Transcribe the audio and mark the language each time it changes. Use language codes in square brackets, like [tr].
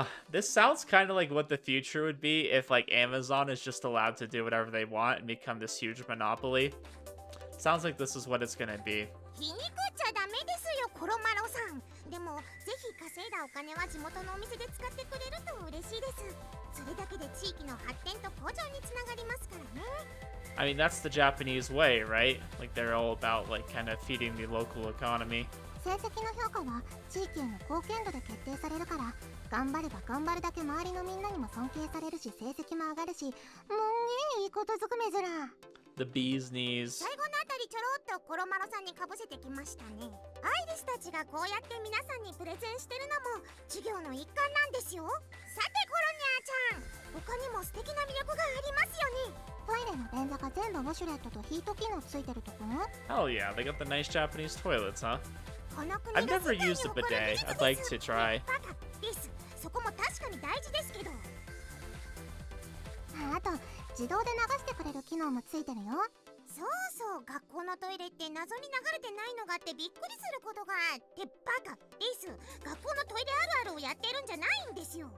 [en] This sounds kind of like what the future would be if like Amazon is just allowed to do whatever they want and become this huge monopoly. Sounds like this is what it's going to be. [ja] 皮肉っちゃダメですよ、コロマロさん。でも、ぜひ稼いだお金は地元のお店で使ってくれると嬉しいです。それだけで地域の発展と向上につながりますからね。 [en] I mean, that's the Japanese way, right? Like, they're all about, like, kind of feeding the local economy. [ja] 成績の評価は地域への貢献度で決定されるから、頑張れば頑張るだけ周りのみんなにも尊敬されるし、成績も上がるし、もんげーいいことずくめずら。 [en] The bee's knees. [ja] 最後のあたりちょろっとコロマロさんにかぶせてきましたね。アイリスたちがこうやって皆さんにプレゼンしてるのも授業の一環なんですよ。さてコロニャーちゃん、他にも素敵な魅力がありますよね。トイレの便座が全部ウォシュレットとヒート機能ついてるところ。 [en] Hell yeah, they got the nice Japanese toilets, huh? [ja] この国が [en] I've never used a bidet. I'd like to try. [ja] そこも確かに大事ですけど。あと自動で流してくれる機能もついてるよ。そうそう、学校のトイレって謎に流れてないのがあってびっくりすることがあって、バカです。学校のトイレあるあるをやってるんじゃないんですよ。